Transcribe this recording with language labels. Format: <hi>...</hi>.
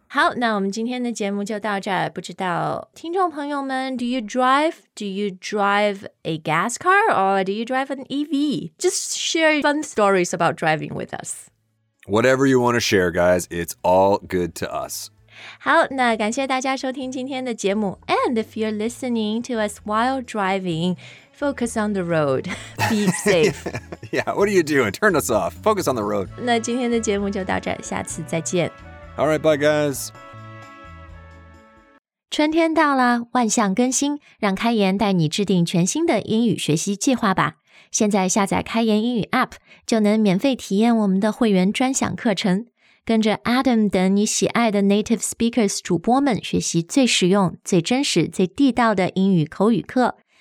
<zh>好，那我们今天的节目就到这儿。不知道听众朋友们 ,</zh> <en>do you drive? Do you drive a gas car or do you drive an EV? Just share fun stories about driving with us. Whatever you want to share, guys, it's all good to us.</en> <zh>好，那感谢大家收听今天的节目。</zh> <en>And if you're listening to us while driving, focus on the road. Be safe. Yeah, what are you doing? Turn us off. Focus on the road.</en> <zh>那今天的节目就到这，下次再见。</zh> <en>All right, bye, guys.</en> <zh>春天到了，万象更新，让开言带你制定全新的英语学习计划吧。现在下载开言英语 APP 就能免费体验我们的会员专享课程，跟着 Adam 等你喜爱的 Native Speakers 主播们学习最实用、最真实、最地道的英语口语课。</zh>